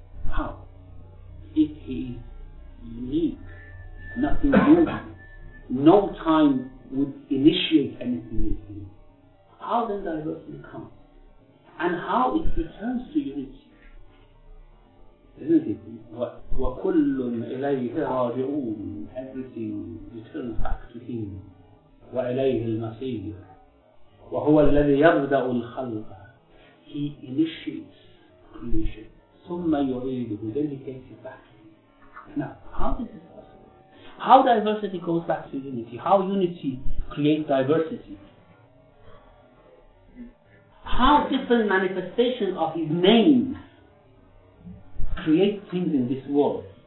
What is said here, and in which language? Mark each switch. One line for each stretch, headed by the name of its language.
English: How? If he is unique, nothing new, no time would initiate anything with him, how then diversity comes? And how it returns to unity? Isn't it?
Arabic: وَكُلٌّ إِلَيْهِ رَاجِعُونَ
English: Everything returns back to him.
Arabic: وَإِلَيْهِ الْمَصِيرُ وَهُوَ الَّذِي يَبْدَأُ الْخَلْقَ
English: He initiates creation.
Arabic: ثُمَّ يُعِيدُهُ
English: Then he takes it back. Now, how is this possible? How diversity goes back to unity? How unity creates diversity? How different manifestations of his name create things in this world?